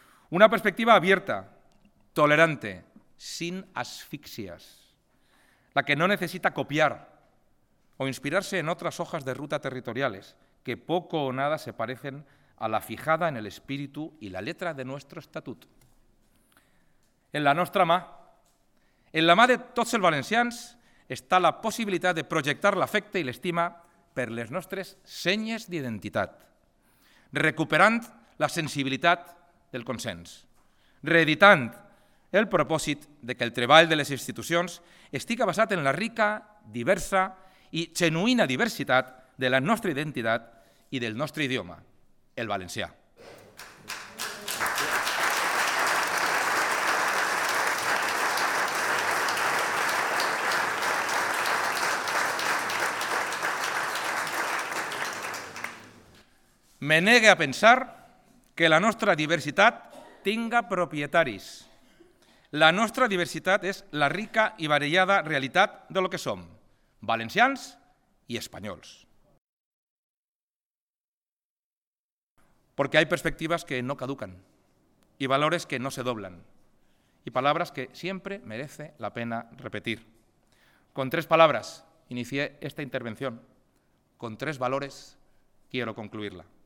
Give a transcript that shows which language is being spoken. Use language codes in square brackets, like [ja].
[es] Una perspectiva abierta, tolerante, sin asfixias. La que no necesita copiar o inspirarse en otras hojas de ruta territoriales que poco o nada se parecen a la fijada en el espíritu y la letra de nuestro estatuto. [ca] En la nostra mà, en la mà de tots els valencians, està la possibilitat de projectar l'afecte i l'estima per les nostres senyes d'identitat, recuperant la sensibilitat del consens, reeditant el propòsit de que el treball de les institucions estigui basat en la rica, diversa i genuïna diversitat de la nostra identitat i del nostre idioma, el valencià. me negue a pensar que la nostra diversitat tinga propietaris. La nostra diversitat és la rica i variada realitat de lo que som, valencians i espanyols. [es] Porque hay perspectivas que no caducan y valores que no se doblan y palabras que siempre merece la pena repetir. Con tres palabras inicié esta intervención, con tres valores quiero concluirla.